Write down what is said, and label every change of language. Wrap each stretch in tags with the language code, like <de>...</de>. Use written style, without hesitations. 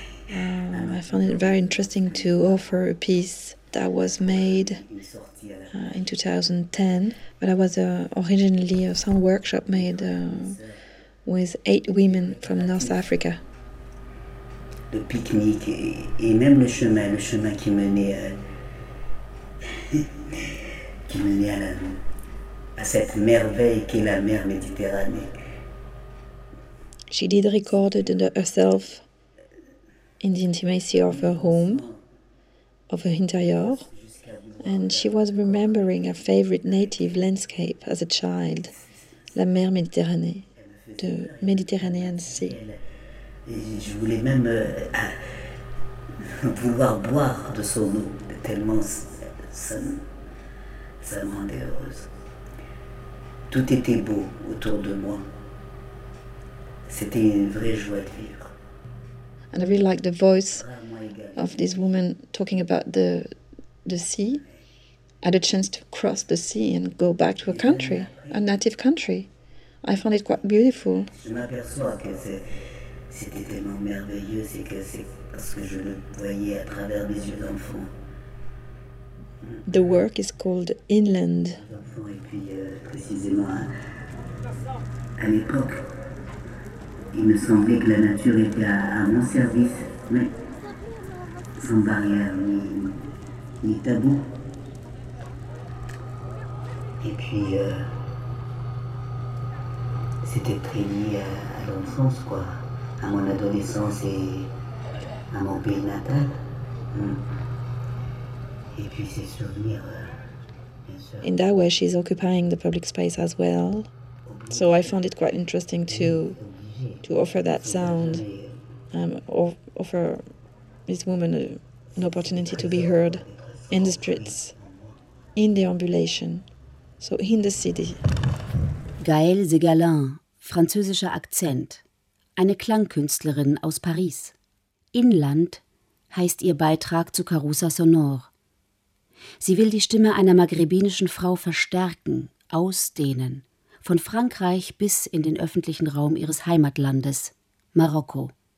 <en>I found it very interesting to offer a piece that was made in 2010, but it was originally a sound workshop made with 8 women from North Africa.</en> <fr>Le pique-nique et même le chemin qui menait à, qui menait à, la, à cette merveille qu'est la mer Méditerranée.</fr> <en>She did record herself in the intimacy of her home, of her interior, and she was remembering her favorite native landscape as a child, la mer Méditerranée, the Mediterranean Sea.</en> <fr>Je voulais même vouloir boire de son eau, tellement ça me rendait heureuse. Tout était beau autour de moi. C'était une vraie joie de vivre.</fr> <en>And I really like the voice of this woman talking about the sea. I had a chance to cross the sea and go back to a country, a native country. I found it quite beautiful.</en> <fr>Je m'aperçois que c'était tellement merveilleux, c'est que c'est parce que je le voyais à travers mes yeux d'enfant.</fr> <en>The work is called Inland.</en> <fr>Et puis précisément à l'époque, il me semblait que la nature était à mon service, mais sans barrière ni tabou. Et puis, c'était très lié à l'enfance, quoi, à mon adolescence et à mon pays natal. Et puis, ces souvenirs, bien sûr.</fr> <en>In that way, she's occupying the public space as well. So I found it quite interesting to offer that sound, offer this woman an opportunity to be heard in the streets, in deambulation. So in the city.</en> <de>Gaëlle Segalin, französischer Akzent, eine Klangkünstlerin aus Paris. Inland heißt ihr Beitrag zu Carusa Sonore. Sie will die Stimme einer maghrebinischen Frau verstärken, ausdehnen, von Frankreich bis in den öffentlichen Raum ihres Heimatlandes, Marokko.</de>